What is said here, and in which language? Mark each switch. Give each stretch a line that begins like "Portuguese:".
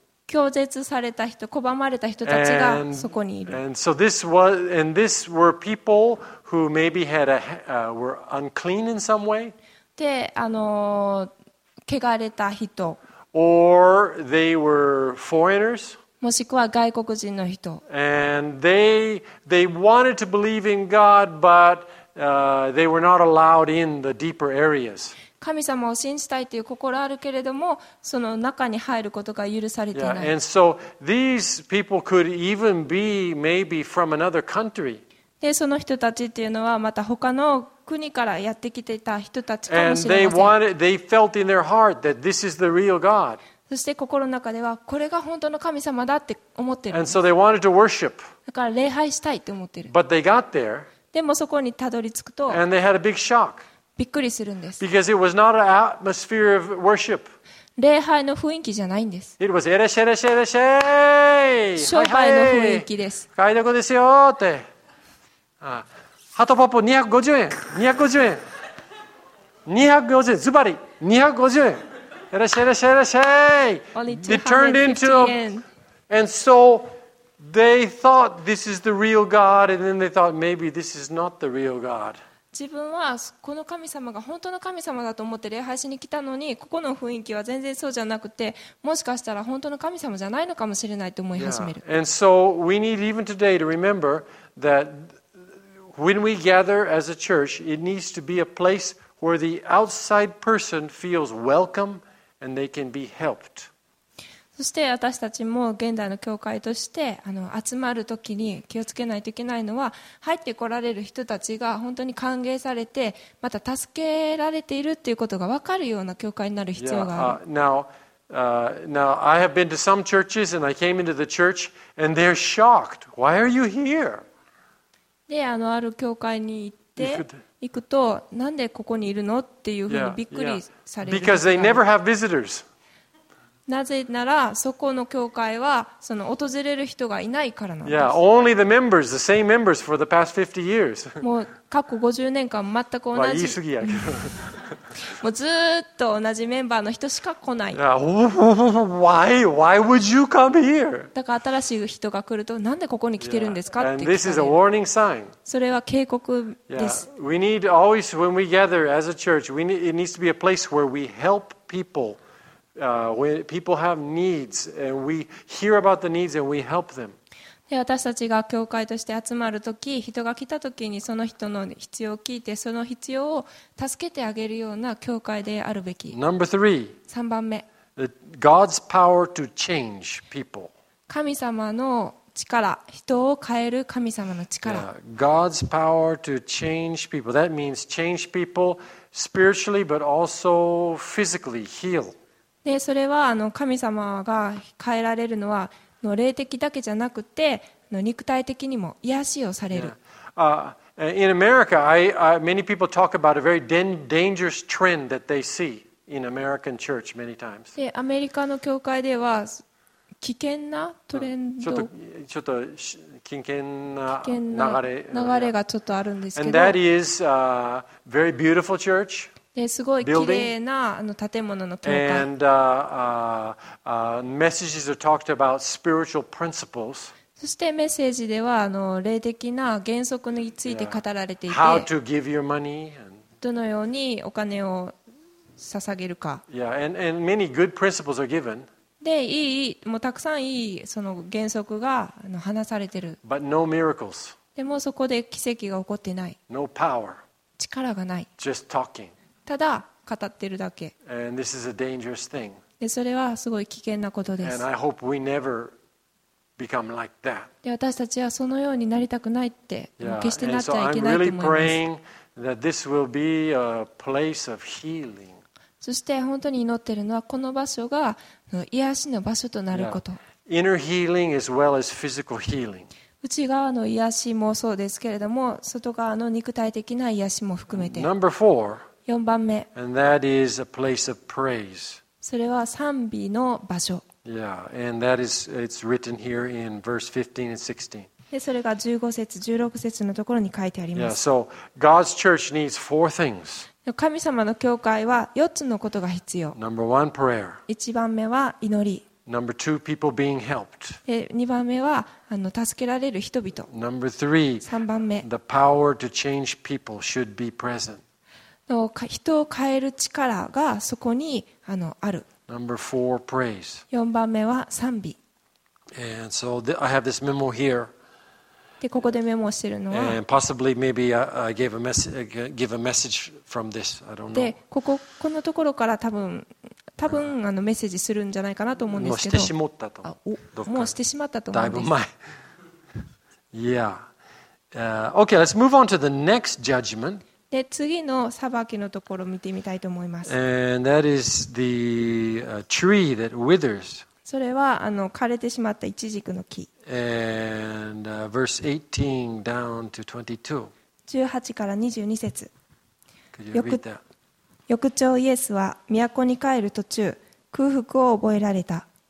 Japanese: 拒絶された人、拒まれた人たちがそこにいる。
English: And so this was, and this were people who maybe had a, were unclean in some way.
Japanese: で、汚れた人。
English: Or they were foreigners.
Japanese: もしくは外国人の人。
English: And they wanted to believe in God, but they were not allowed in the deeper areas.
Japanese: 神様を信じたいという心あるけれども、その中に入ることが許されていない。
English: Yeah, and so these people could even be maybe from another country.
Japanese: で、その人たちっていうのはまた他の国からやってきていた人たちかもしれません。
English: And they felt in their heart that this is the real God.
Japanese: そして心の中ではこれが本当の神様だって思ってる。
English: And so they wanted to worship.
Japanese: だから礼拝したいって思ってる。
English: But they got there.
Japanese: でもそこにたどり着くと。
English: And they had a big shock.
Japanese: びっくりするんです。
English: Because it was not an atmosphere of worship.
Japanese: 礼拝の雰囲気じゃないんです。 It was エレシェレシェレシェイ。商売の雰囲気です。はいはい、買い得ですよって。ハトポップ250円。250円。250円。ズバリ250円。いらっしゃい、いらっしゃい、いらっしゃい。
English: They turned into a, and so they thought this is the real God, and then they thought maybe this is not the real God.
Japanese: 自分はこの神様が本当の神様だと思って礼拝しに来たのに、ここの雰囲気は全然そうじゃなくて、もしかしたら本当の神様じゃないのかもしれないと思い始める。
English: Yeah. And so we need even today to remember that when we gather as a church, it needs to be a place. Where the outside person feels welcome and they can be helped.
Japanese: そして私たちも現代の教会として集まるときに気をつけないといけないのは、入ってこられる人たちが本当に歓迎されて、また助けられているということが分かるような教会になる必要がある。
English: Now, I have been to some churches and I came into the church and they're shocked. Why are you here?
Japanese: で、ある教会に行って。行くと、なんでここにいるのっていうふうにびっくりされる。
English: Because they never have visitors.
Japanese: なぜなら、そこの教会はその訪れる人がいないからなんです。
English: Yeah, only the members, the same members for the past 50 years.
Japanese: もう過去50年間全く同じ。言い過ぎやけど。もうずっと同じメンバーの人しか来ない。 Why would you come here? だから新しい人が来ると、なんでここに来てるんですかって聞かれる。
English: And this is a warning sign.
Japanese: それは警告です。
English: Yeah. We need always when we gather as a church, it needs to be a place where we help people. When people have needs and we hear about the needs and we help them.
Japanese: で、私たちが教会として集まるとき、人が来たときにその人の必要を聞いて、その必要を助けてあげるような教会であるべき。
English: Number three.
Japanese: 三番目。
English: God's power to change people.
Japanese: 神様の力、人を変える神様の力。
English: Yeah. God's power to change people. That means change people spiritually, but also physically heal.
Japanese: で、それは神様が変えられるのは、の霊的だけじゃなくて、の肉体的にも癒しをされる。
English: In America, many people talk about a very dangerous trend that they see in American church many times.
Japanese: で、アメリカの教会では危険なトレンド。ちょっと危険な流れがちょっとあるんですけど。
English: And that is a very beautiful church.
Japanese: すごい綺麗な建物の教会。そしてメッセージでは霊的な原則について語られていて、
English: how to give your money
Japanese: and どのようにお金を捧げるか。
English: Yeah, and many good principles are given.
Japanese: で、いい、もうたくさんいいその原則が話されてる。
English: But no miracles.
Japanese: でもそこで奇跡が起こってない。
English: No power.
Japanese: 力がない。
English: Just talking.
Japanese: ただ語ってるだけ。
English: And this is a dangerous thing.
Japanese: で、それはすごい危険なことです。
English: And I hope we never become like that.
Japanese: で、私たちはそのようになりたくないって、
English: yeah.
Japanese: 決してなっちゃいけないと思います。
English: And so I'm really praying that this will be a place of healing.
Japanese: そして本当に祈ってるのはこの場所が癒しの場所となること。
English: Yeah. Inner healing as well as physical healing.
Japanese: 内側の癒しもそうですけれども、外側の肉体的な癒しも含めて。
English: Number four.
Japanese: 4番目。
English: And that is a place of praise.
Japanese: それは賛美の場所。
English: Yeah, and that is it's written here in verse 15 and 16.
Japanese: で、それが15節、16節のところに書いてあります。
English: Yeah, so God's church needs four things.
Japanese: 神様の教会は4つのことが必要。
English: Number one, prayer.
Japanese: 1番目は祈り。
English: Number two, people being helped.
Japanese: 2番目は助けられる人々。
English: Number three,
Japanese: 3番目。
English: The power to change people should be present.
Japanese: 人を変える力がそこにある。
English: Number four, praise.
Japanese: 4番目は賛美。
English: And so I have this memo here.
Japanese: で、ここでメモしてるのは。
English: And possibly maybe I gave a message, from this. I don't know.
Japanese: で、このところから多分メッセージするんじゃないかなと思うんですけど。もうしてしまったと。もうしてしまったと思うんです。だいぶ前。Yeah.
English: Okay, let's move on to the next judgment.
Japanese: で、次の裁きのところを見てみたいと思います。
English: And that is the tree that withers.
Japanese: それは枯れてしまったイチジクの木。
English: And verse 18 down to 22.
Japanese: 18から22節。
English: Could you read that?
Japanese: 翌朝イエスは都に帰る途中、空腹を覚えられた。